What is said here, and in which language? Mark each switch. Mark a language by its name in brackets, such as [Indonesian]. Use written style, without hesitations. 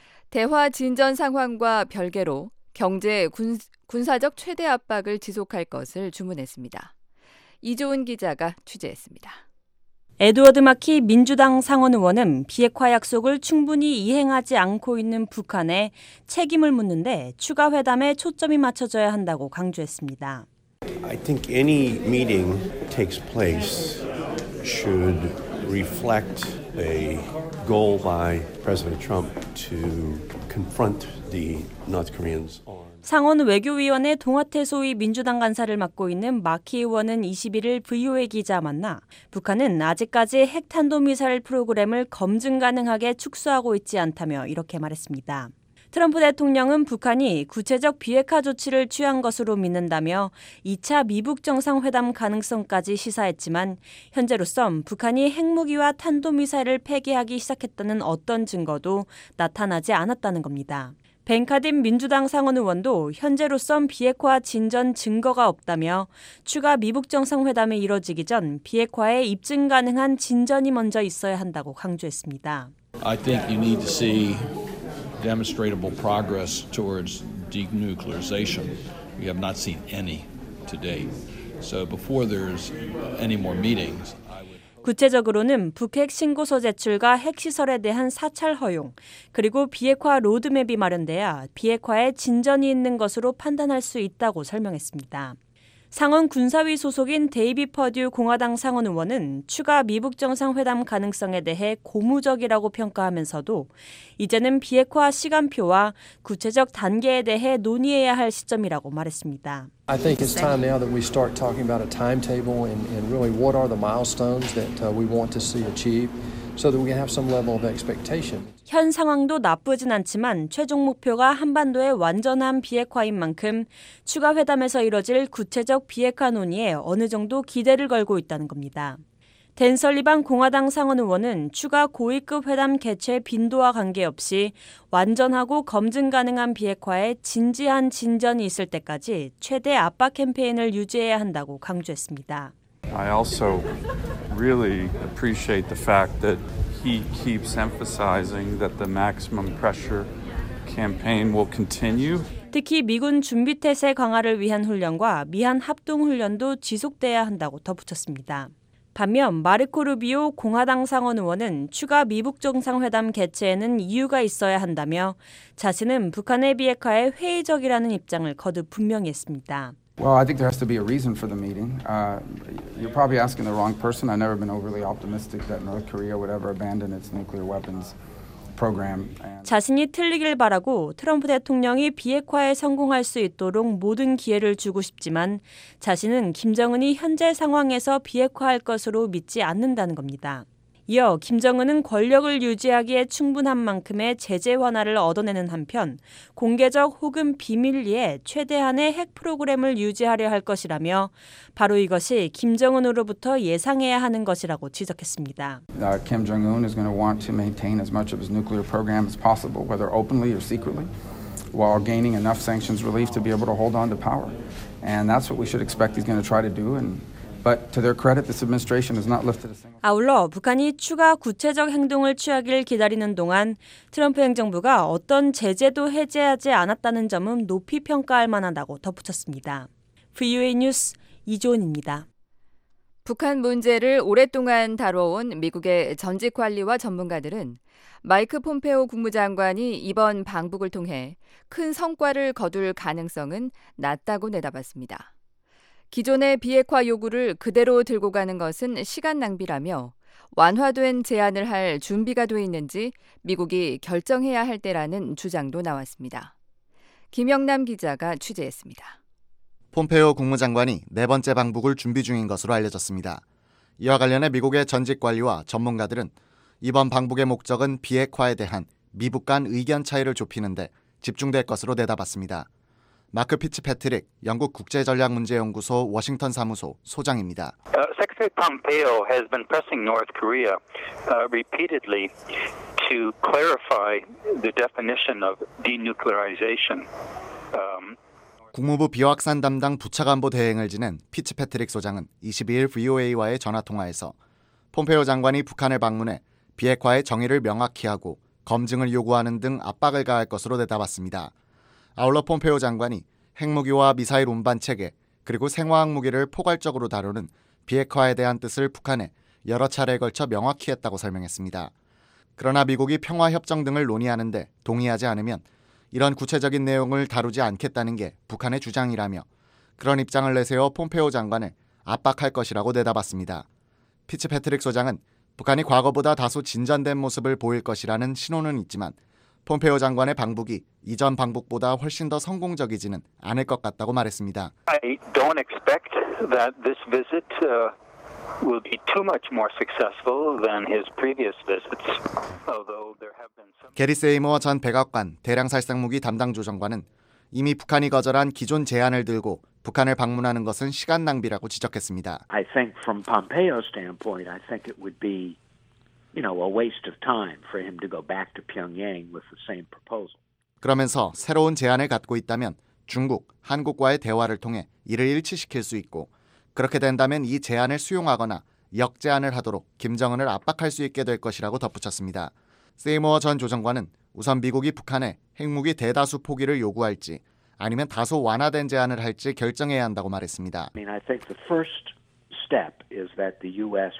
[Korean] 대화 진전 상황과 별개로 경제 군사적 최대 압박을 지속할 것을 주문했습니다. 이조은 기자가 취재했습니다. 에드워드 마키 민주당 상원 의원은 비핵화 약속을 충분히 이행하지 않고 있는 북한에 책임을 묻는데 추가 회담에 초점이 맞춰져야 한다고 강조했습니다. [English] I think any meeting takes place should reflect a goal by President Trump to confront the North Koreans. [Korean] 상원 외교위원회 동아태 소위 민주당 간사를 맡고 있는 마키 의원은 21일 VOA 기자 만나 북한은 아직까지 핵탄도미사일 프로그램을 검증 가능하게 축소하고 있지 않다며 이렇게 말했습니다. 트럼프 대통령은 북한이 구체적 비핵화 조치를 취한 것으로 믿는다며 2차 미북 정상회담 가능성까지 시사했지만 현재로선 북한이 핵무기와 탄도미사일을 폐기하기 시작했다는 어떤 증거도 나타나지 않았다는 겁니다. 벤카딘 민주당 상원 의원도 현재로선 비핵화 진전 증거가 없다며 추가 미북 정상회담이 이뤄지기 전 비핵화에 입증 가능한 진전이 먼저 있어야 한다고 강조했습니다. [English] I think you need to see demonstrable progress towards denuclearization. We have not seen any to date. So before there's any more meetings. [Korean] 구체적으로는 북핵 신고서 제출과 핵시설에 대한 사찰 허용, 그리고 비핵화 로드맵이 마련돼야 비핵화에 진전이 있는 것으로 판단할 수 있다고 설명했습니다. 상원 군사위 소속인 데이비 퍼듀 공화당 상원 의원은 추가 미북 정상회담 가능성에 대해 고무적이라고 평가하면서도 이제는 비핵화 시간표와 구체적 단계에 대해 논의해야 할 시점이라고 말했습니다. [English] I think it's time now that we start talking about a timetable and really what are the milestones that we want to see achieve so that we can have some level of expectation. [Korean] 현 상황도 나쁘진 않지만 최종 목표가 한반도의 완전한 비핵화인 만큼 추가 회담에서 이뤄질 구체적 비핵화 논의에 어느 정도 기대를 걸고 있다는 겁니다. 댄 설리반 공화당 상원 의원은 추가 고위급 회담 개최 빈도와 관계없이 완전하고 검증 가능한 비핵화에 진지한 진전이 있을 때까지 최대 압박 캠페인을 유지해야 한다고 강조했습니다. [English] I also really appreciate the fact that he keeps emphasizing that the maximum pressure campaign will continue. [Korean] 특히 미군 준비태세 강화를 위한 훈련과 미한 합동훈련도 지속돼야 한다고 덧붙였습니다. 반면 마르코 루비오 공화당 상원 의원은 추가 미북 정상회담 개최에는 이유가 있어야 한다며 자신은 북한의 비핵화에 회의적이라는 입장을 거듭 분명히 했습니다. [English] Well, I think there has to be a reason for the meeting. You're probably asking the wrong person. I've never been overly optimistic that North Korea would ever abandon its nuclear weapons program. [Korean] 자신이 틀리길 바라고 트럼프 대통령이 비핵화에 성공할 수 있도록 모든 기회를 주고 싶지만 자신은 김정은이 현재 상황에서 비핵화할 것으로 믿지 않는다는 겁니다. 이어 김정은은 권력을 유지하기에 충분한 만큼의 제재 완화를 얻어내는 한편 공개적 혹은 비밀리에 최대한의 핵 프로그램을 유지하려 할 것이라며 바로 이것이 김정은으로부터 예상해야 하는 것이라고 지적했습니다. [English] Kim Jong-un is going to want to maintain as much of his nuclear program as possible, whether openly or secretly, while gaining enough sanctions relief to be able to hold on to power. And that's what we should expect he's going to try to do. But to their credit, this administration has not lifted a single. [Korean] 아울러 북한이 추가 구체적 행동을 취하길 기다리는 동안 트럼프 행정부가 어떤 제재도 해제하지 않았다는 점은 높이 평가할 만하다고 덧붙였습니다. VOA 뉴스 이조은입니다. 북한 문제를 오랫동안 다뤄온 미국의 전직 관리와 전문가들은 마이크 폼페오 국무장관이 이번 방북을 통해 큰 성과를 거둘 가능성은 낮다고 내다봤습니다. 기존의 비핵화 요구를 그대로 들고 가는 것은 시간 낭비라며 완화된 제안을 할 준비가 돼 있는지 미국이 결정해야 할 때라는 주장도 나왔습니다. 김영남 기자가 취재했습니다. 폼페오 국무장관이 네 번째 방북을 준비 중인 것으로 알려졌습니다. 이와 관련해 미국의 전직 관리와 전문가들은 이번 방북의 목적은 비핵화에 대한 미북 간 의견 차이를 좁히는 데 집중될 것으로 내다봤습니다. 마크 피츠 패트릭 영국 국제전략문제연구소 워싱턴 사무소 소장입니다. [English] Secretary Pompeo has been pressing North Korea repeatedly to clarify the definition of denuclearization. [Korean] 국무부 비확산 담당 부차관보 대행을 지낸 피츠 패트릭 소장은 22일 VOA와의 전화 통화에서 폼페오 장관이 북한을 방문해 비핵화의 정의를 명확히 하고 검증을 요구하는 등 압박을 가할 것으로 내다봤습니다. 아울러 폼페오 장관이 핵무기와 미사일 운반 체계 그리고 생화학 무기를 포괄적으로 다루는 비핵화에 대한 뜻을 북한에 여러 차례에 걸쳐 명확히 했다고 설명했습니다. 그러나 미국이 평화협정 등을 논의하는데 동의하지 않으면 이런 구체적인 내용을 다루지 않겠다는 게 북한의 주장이라며 그런 입장을 내세워 폼페오 장관을 압박할 것이라고 내다봤습니다. 피츠 패트릭 소장은 북한이 과거보다 다소 진전된 모습을 보일 것이라는 신호는 있지만 폼페오 장관의 방북이 이전 방북보다 훨씬 더 성공적이지는 않을 것 같다고 말했습니다. [English] I don't expect that this visit will be too much more successful than his previous visits. Although there have been some. [Korean] 게리 세이머 전 백악관 대량살상무기 담당 조정관은 이미 북한이 거절한 기존 제안을 들고 북한을 방문하는 것은 시간 낭비라고 지적했습니다. [English] I think from Pompeo's standpoint, I think it would be, you know, a waste of time for him to go back to Pyongyang with the same proposal. [Korean] 그러면서 새로운 제안을 갖고 있다면 중국, 한국과의 대화를 통해 이를 일치시킬 수 있고 그렇게 된다면 이 제안을 수용하거나 역제안을 하도록 김정은을 압박할 수 있게 될 것이라고 덧붙였습니다. 세이머 전 조정관은 우선 미국이 북한에 핵무기 대다수 포기를 요구할지 아니면 다소 완화된 제안을 할지 결정해야 한다고 말했습니다. [English] I mean, I think the first step is that the U.S.